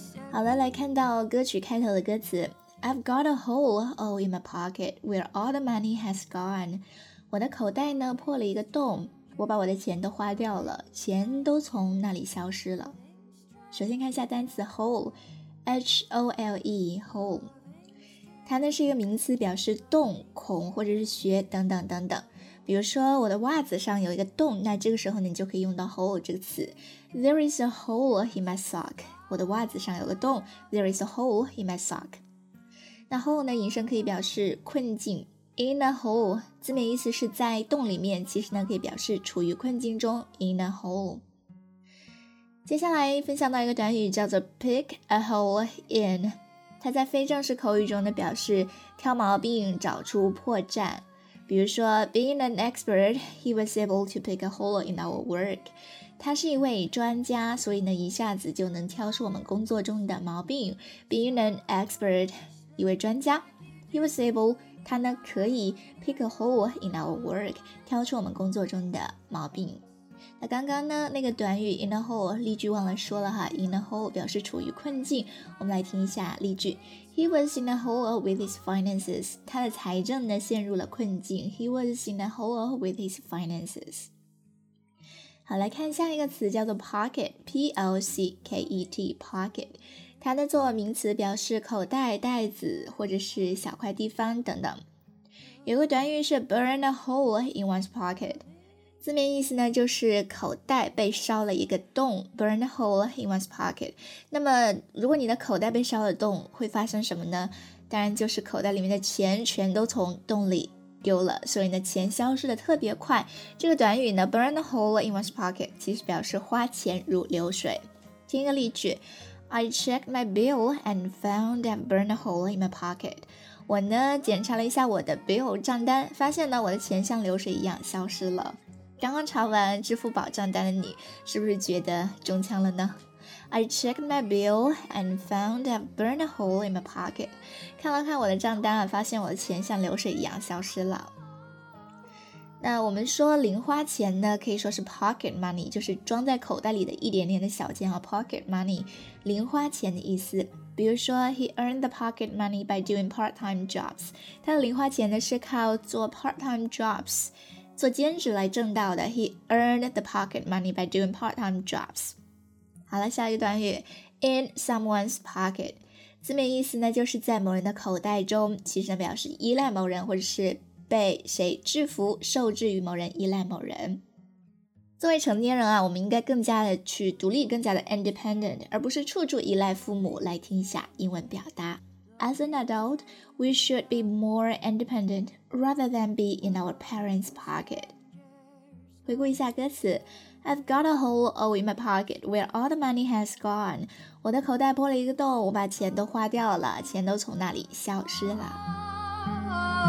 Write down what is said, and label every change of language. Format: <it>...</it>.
<zh>好了，来看到歌曲开头的歌词。</zh> <en>I've got a hole all in my pocket where all the money has gone。</en> <zh>我的口袋呢破了一个洞，我把我的钱都花掉了，钱都从那里消失了。首先看一下单词 hole， H-O-L-E， hole， 它呢是一个名词，表示洞、孔或者是穴等等等等。比如说我的袜子上有一个洞，那这个时候呢你就可以用到 hole 这个词。</zh> <en>There is a hole in my sock，</en> <zh>我的袜子上有个洞，</zh> <en>There is a hole in my sock。</en> <zh>那 hole 呢引申可以表示困境， in a hole 字面意思是在洞里面，其实呢可以表示处于困境中， in a hole。接下来分享到一个短语叫做 pick a hole in， 它在非正式口语中呢表示挑毛病找出破绽。比如说</zh> <en>being an expert he was able to pick a hole in our work，</en> <zh>他是一位专家，所以呢一下子就能挑出我们工作中的毛病。</zh> <en>Being an expert，</en> <zh>一位专家，</zh> <en>He was able，</en> <zh>他呢可以</zh> <en>pick a hole in our work，</en> <zh>挑出我们工作中的毛病。那刚刚呢那个短语 in a hole， 例句忘了说了哈， in a hole 表示处于困境。我们来听一下例句。</zh> <en>He was in a hole with his finances，</en> <zh>他的财政呢陷入了困境。</zh> <en>He was in a hole with his finances。</en> <zh>好，来看下一个词叫做 pocket， P-O-C-K-E-T， pocket， 它的做名词表示口袋、袋子或者是小块地方等等。有个短语是 burn a hole in one's pocket， 字面意思呢就是口袋被烧了一个洞， burn a hole in one's pocket。那么如果你的口袋被烧了洞会发生什么呢？当然就是口袋里面的钱全都从洞里丢了，所以呢钱消失的特别快。这个短语呢 burn a hole in one's pocket 其实表示花钱如流水。听一个例句，</zh> <en>I checked my bill and found I've burned a hole in my pocket，</en> <zh>我呢检查了一下我的 bill 账单，发现呢我的钱像流水一样消失了。刚刚查完支付宝账单的你是不是觉得中枪了呢？</zh> <en>I checked my bill and found I've burned a hole in my pocket，</en> <zh>看了看我的账单，发现我的钱像流水一样消失了。那我们说零花钱呢可以说是 pocket money， 就是装在口袋里的一点点的小钱和 pocket money， 零花钱的意思。比如说</zh> <en>he earned the pocket money by doing part-time jobs，</en> <zh>他的零花钱呢是靠做</zh> <en>part-time jobs，</en> <zh>做兼职来挣到的。</zh> <en>he earned the pocket money by doing part-time jobs。</en> <zh>好了，下一个短语 in someone's pocket， 字面意思呢就是在某人的口袋中，其实呢表示依赖某人或者是被谁制服受制于某人依赖某人。作为成年人啊，我们应该更加的去独立，更加的 independent， 而不是处处依赖父母。来听一下英文表达。</zh> <en>As an adult we should be more independent rather than be in our parents' pocket。</en> <zh>回顾一下歌词，</zh> <en>I've got a hole all in my pocket where all the money has gone，</en> <zh>我的口袋破了一个洞，我把钱都花掉了，钱都从那里消失了。</zh>